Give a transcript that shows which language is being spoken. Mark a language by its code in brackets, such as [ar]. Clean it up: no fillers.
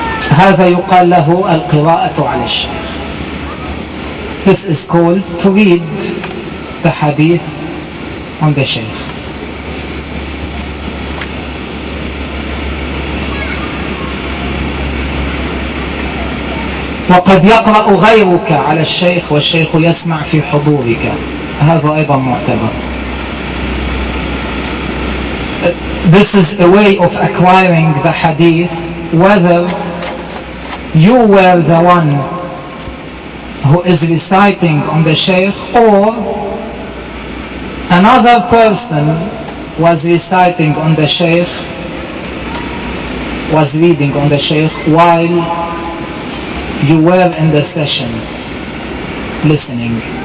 [ar] هذا يقال له القراءة على الشيخ. [en] This is called to read the hadith on the sheikh. [ar] وقد يقرأ غيرك على الشيخ والشيخ يسمع في حضورك. هذا أيضا معتبر. [en] This is a way of acquiring the hadith, whether you were the one who is reciting on the sheikh or another person was reciting on the sheikh, was reading on the sheikh while you were in the session listening.